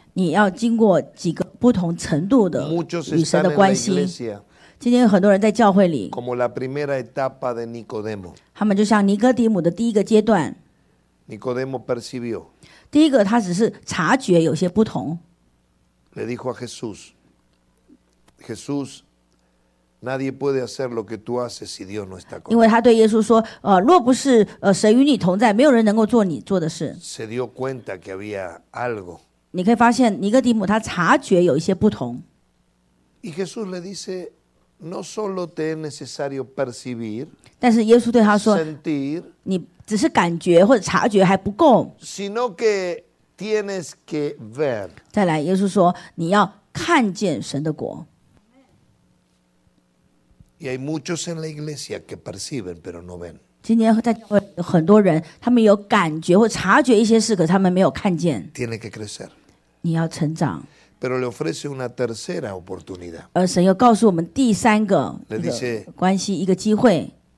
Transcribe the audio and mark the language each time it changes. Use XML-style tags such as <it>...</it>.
<zh>你要经过几个不同程度的与神的关系今天有很多人在教会里</zh> <es>como la primera etapa de Nicodemo,</es> <zh>他们就像尼哥底母的第一个阶段</zh> <es>Nicodemo percibió,</es> <zh>第一个他只是察觉有些不同</zh> <es>Le dijo a Jesús Jesús Nadie puede hacer lo que tú haces si Dios no está con él</es> <zh>因为他对耶稣说若不是神与你同在没有人能够做你做的事</zh> <es>Se dio cuenta que había algo</es> <zh>你可以发现尼哥底母他察觉有一些不同</zh> <es>Y Jesús le diceNo solo te es necesario percibir,</es> <zh>但是耶稣对他说</zh> <es>sentir,</es> <zh>你只是感觉或者察觉还不够</zh> <es>sino que tienes que ver.</es> <zh>再来耶稣说你要看见神的国</zh> <es>Y hay muchos en la iglesia que perciben pero no ven.</es> <zh>今天在教会有很多人他们有感觉或察觉一些事可他们没有看见</zh> <es>Tiene que crecer.</es> <zh>你要成长</zh> <es>Pero le ofrece una tercera oportunidad.</es> <zh>而神又告诉我们第三个关系一个机会。</zh>